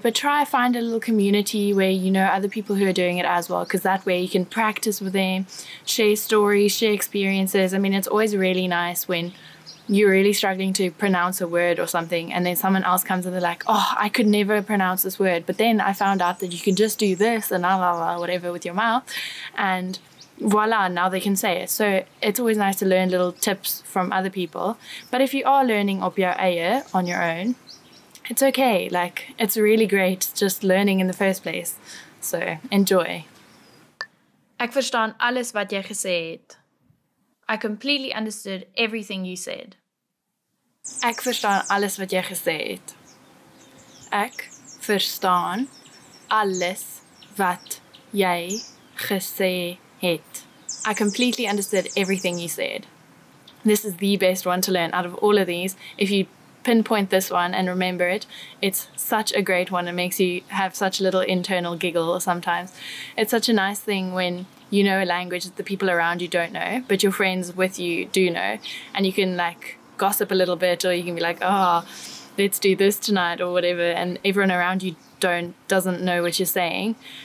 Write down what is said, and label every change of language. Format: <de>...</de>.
<en>But try find a little community where you know other people who are doing it as well, because that way you can practice with them, share stories, share experiences. I mean, it's always really nice when you're really struggling to pronounce a word or something and then someone else comes and they're like, oh, I could never pronounce this word, but then I found out that you can just do this and la la la whatever with your mouth, and voila, now they can say it. So it's always nice to learn little tips from other people. But if you are learning</en> <af>op jou eie</af> <en>on your own, it's okay. Like, it's really great just learning in the first place. So, enjoy.</en> <af>Ek verstaan alles wat jy gesê het.</af> <en>I completely understood everything you said.</en> <af>Ek verstaan alles wat jy gesê het. Ek verstaan alles wat jy gesê het.</af> <en>I completely understood everything you said. This is the best one to learn out of all of these. If you pinpoint this one and remember it. It's such a great one. It makes you have such a little internal giggle sometimes. It's such a nice thing when you know a language that the people around you don't know, but your friends with you do know, and you can like gossip a little bit, or you can be like, oh, let's do this tonight or whatever, and everyone around you doesn't know what you're saying.</en>